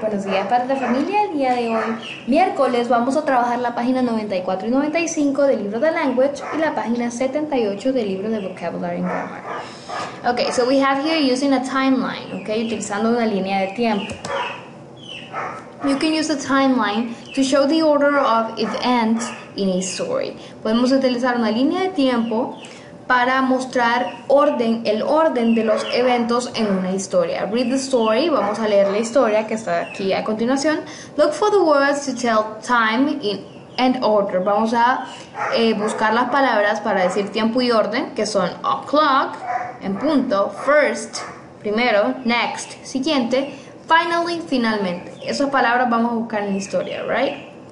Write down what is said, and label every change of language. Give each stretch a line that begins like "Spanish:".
Spanish: Buenos días para la familia. El día de hoy, miércoles, vamos a trabajar la página 94 y 95 del libro de language y la página 78 del libro de
English: vocabulary and grammar. Okay, so we have here using a timeline, okay,
Spanish: utilizando una línea de tiempo.
English: You can use a timeline to show the order of events in a story.
Spanish: Podemos utilizar una línea de tiempo para mostrar orden, el orden de los eventos en una historia.
English: Read the story,
Spanish: vamos a leer la historia que está aquí a continuación.
English: Look for the words to tell time and order.
Spanish: Vamos a buscar las palabras para decir tiempo y orden, que son o'clock, en punto, first, primero, next, siguiente, finally, finalmente. Esas palabras vamos a buscar en la historia, right?